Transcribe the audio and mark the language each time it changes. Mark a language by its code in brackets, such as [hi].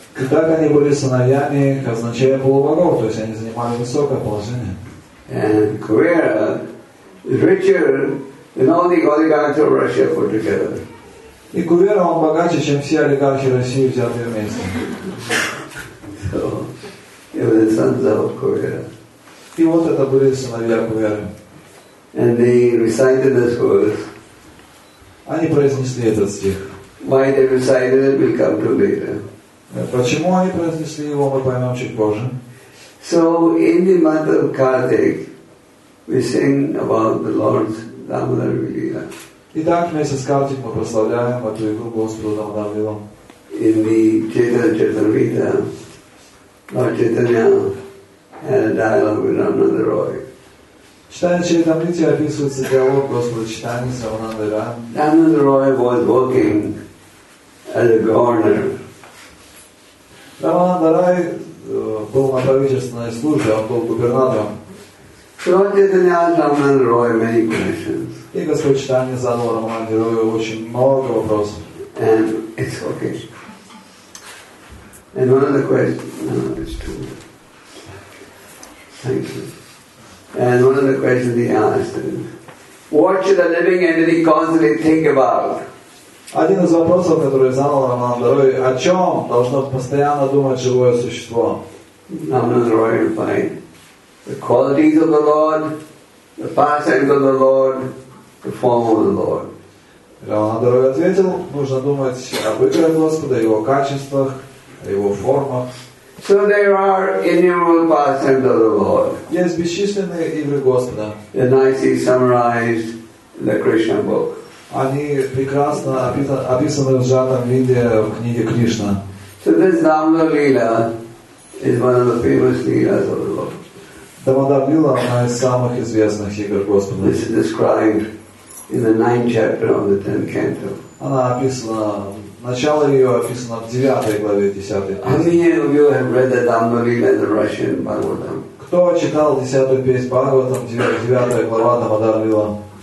[ru] Так они были сыновьями казначея полубогов, то есть они занимали высокое положение. [en] And Kuvera is richer than all the oligarchs of Russia put together. [ru] И Кувера, он богаче, чем все олигархи России взятые вместе. [en] It was the sons of Kuvera. [ru] И вот это были сыновья Куверы. [en] And they recited this verse. [ru] Они произнесли этот стих. [en] Why they recited it, we'll come to later. [ru] Почему они произнесли его, мы поймем чуть позже. [en] So in the matter of Kartik, we sing about the Lord's Damodar Vidya. [ru] Итак, вместе с Картик мы прославляем эту игру Господу Дамодар Вилу. [en] In the Chaitanya-Charitamrita, Lord Chaitanya had a dialogue with Ramananda Roy. [ru] Читая Чайтамриту, описывается диалог Господа Чайтанья с Рамананда Рой. [en] Ramananda Roy was working as a governor. [ru] Рамананда Рой был на правительственной службе, он был губернатором. [en] Lord Chaitanya asked Ramananda Roy many questions. [ru] И Господь Чайтанья задал Рамананде Рою очень много вопросов. [en] And it's okay. And one of the questions, no, it's true. Thank you. And one of the questions he asked is, what should a living entity constantly think about? [ru] Один из вопросов, который задал Рамананда Рой, о чем должно постоянно думать живое существо? [en] Рамананда Рой replied, the qualities of the Lord, the pastimes of the Lord, the form of the Lord. [ru] Рамананда Рой ответил, нужно думать об играх Господа, его качествах, его формах. [en] So there are innumerable pastimes of the Lord. Yes, [ru] бесчисленные игры Господа. [en] They're nicely summarized in the Krishna book. [ru] Они прекрасно описаны в сжатом виде в книге Кришна. [en] So this Damodar Lila is one of the famous Lilas of the Lord. [ru] Damodar Lila – одна из самых известных игр Господа. [en] This is described in the 9th chapter of the 10th canto. [ru] Она описана. Начало ее описано в 9 главе 10-й песни. Кто читал 10-ю песнь Бхагаватам, 9-я глава Дамодар Лила?